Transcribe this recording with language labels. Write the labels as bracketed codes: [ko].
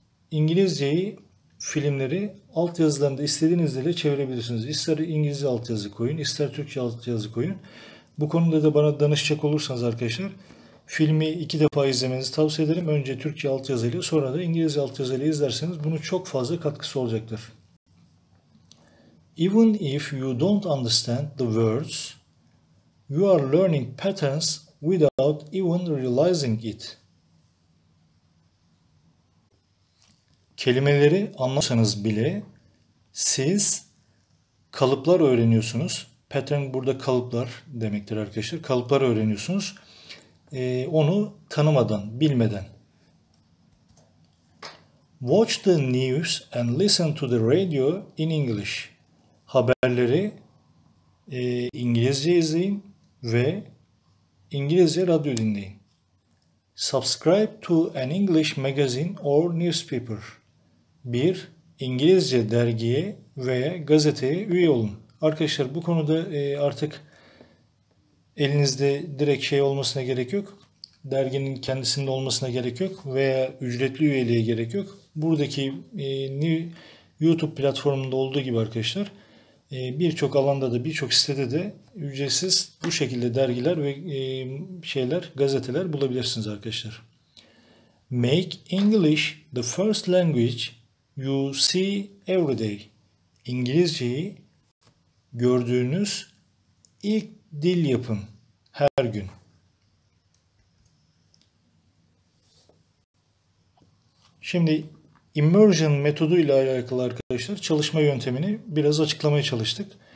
[tr] İngilizceyi filmleri alt yazılarında istediğiniz dille çevirebilirsiniz. İster İngilizce altyazı koyun, ister Türkçe altyazı koyun. Bu konuda da bana danışacak olursanız arkadaşlar, filmi iki defa izlemenizi tavsiye ederim. Önce Türkçe altyazıyla, sonra da İngilizce altyazıyla izlerseniz bunun çok fazla katkısı olacaktır. [en] Even if you don't understand the words, you are learning patterns without even realizing it. [tr] Kelimeleri anlasanız bile siz kalıplar öğreniyorsunuz. Pattern burada kalıplar demektir arkadaşlar. Kalıplar öğreniyorsunuz. Onu tanımadan, bilmeden. [en] Watch the news and listen to the radio in English. [tr] Haberleri İngilizce izleyin ve İngilizce radyo dinleyin. [en] Subscribe to an English magazine or newspaper. [tr] Bir İngilizce dergiye veya gazeteye üye olun. Arkadaşlar bu konuda artık elinizde direkt şey olmasına gerek yok. Derginin kendisinde olmasına gerek yok veya ücretli üyeliğe gerek yok. Buradaki YouTube platformunda olduğu gibi arkadaşlar, birçok alanda da birçok sitede de ücretsiz bu şekilde dergiler ve şeyler, gazeteler bulabilirsiniz arkadaşlar. [en] Make English the first language you see every day. [tr] İngilizceyi gördüğünüz ilk dil yapın her gün. Şimdi immersion metodu ile alakalı arkadaşlar çalışma yöntemini biraz açıklamaya çalıştık.